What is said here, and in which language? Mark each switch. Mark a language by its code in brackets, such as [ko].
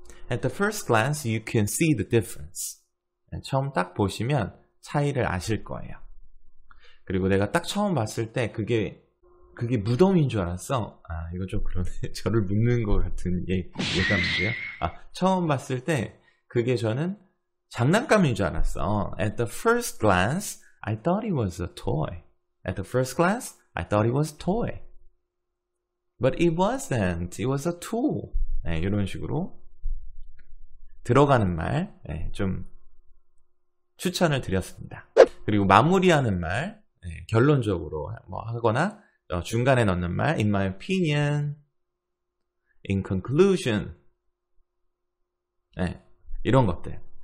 [en] At the first glance you can see the difference. [ko] 처음 딱 보시면 차이를 아실 거예요. 그리고 내가 딱 처음 봤을 때 그게 무덤인 줄 알았어. 아, 이거 좀 그러네. 저를 묻는 것 같은 예감인데요. 아, 처음 봤을 때 그게 저는 장난감인 줄 알았어. [en] At the first glance, I thought it was a toy. At the first glance, I thought it was a toy. But it wasn't. It was a tool. [ko] 네, 이런 식으로 들어가는 말 네, 좀 추천을 드렸습니다. 그리고 마무리하는 말 네, 결론적으로 뭐 하거나 중간에 넣는 말 [en] In my opinion, in conclusion [ko] 네, 이런 것들.